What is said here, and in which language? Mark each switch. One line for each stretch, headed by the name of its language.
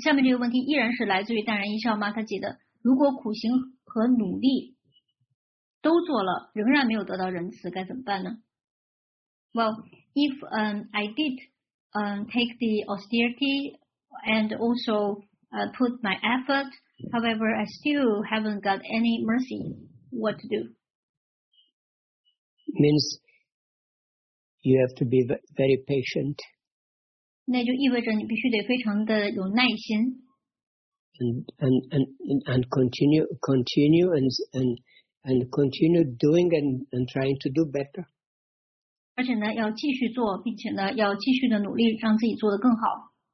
Chinese: 下面这个问题依然是来自于淡然一笑妈，她记得，如果苦行和努力都做了，仍然没有得到仁慈，该怎么办呢 ？
English: Well, if I did. Take the austerity and also put my effort. However, I still haven't got any mercy. What to do? Means you have to be very patient.
Chinese: 那就意味着你必须得非常的有耐心。
English: And continue continue doing and trying to do better.
Chinese: 而且呢要继续做，并且呢要继续的努力让自己做得更好。